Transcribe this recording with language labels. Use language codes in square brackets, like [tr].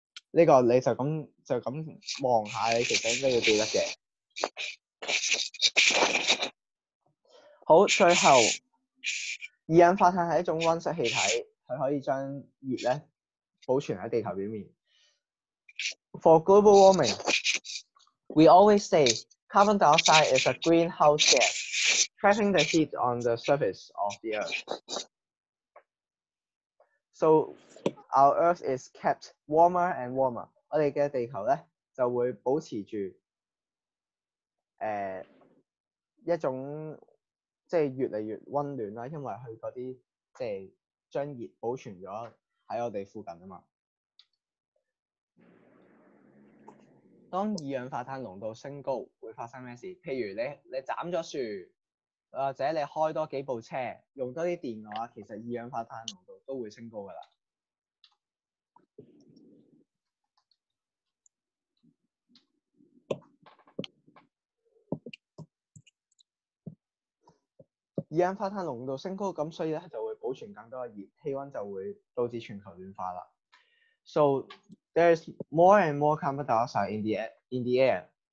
[yue] 呢、這個你就咁望下，你其實應該要記得嘅。好，最後二氧化碳係一種温室氣體，佢可以將熱咧保存喺地球表面。 [en] For global warming, we always say carbon dioxide is a greenhouse gas trapping the heat on the surface of the earth. So our Earth is kept warmer and warmer. [yue] 我哋嘅地球咧就會保持住一種即係越嚟越温暖啦，因為佢嗰啲即係將熱保存咗喺我哋附近啊嘛。當二氧化碳濃度升高，會發生咩事？譬如你斬咗樹，或者你開多幾部車，用多啲電嘅話，其實二氧化碳濃度都會升高噶啦。二氧化碳濃度升高，咁所以咧就會保存更多嘅熱，氣温就會導致全球暖化啦。 [en] So there's more and more carbon dioxide in the air.